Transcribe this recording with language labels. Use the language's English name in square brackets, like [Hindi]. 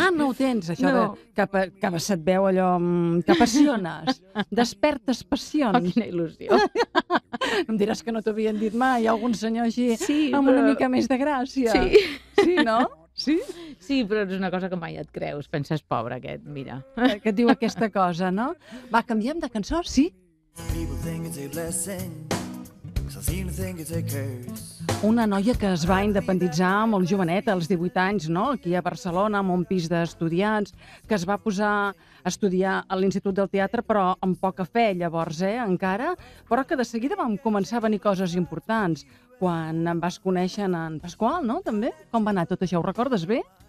[Catalan] Ah, no ho tens, això no. Que se't veu allò, que apassiones, despertes passions. Oh, quina il·lusió. Em diràs que no t'havien dit mai algun senyor així, sí, amb però... una mica més de gràcia. Sí. Sí, no? Sí? Sí, però és una cosa que mai et creus. Penses, pobre aquest, mira. Que diu aquesta cosa, no? Va, canviem de cançó, sí? [English] People think it's a blessing, so I seem to think it's a curse. [Catalan] Una noia que es va independitzar molt joveneta, als 18 anys, no? Aquí a Barcelona, amb un pis d'estudiants, que es va posar a estudiar a l'Institut del Teatre, però amb poca fe llavors, encara, però que de seguida vam començar a venir coses importants. Quan em vas conèixer en Pasqual, no?, també. Com va anar tot això? Ho recordes bé?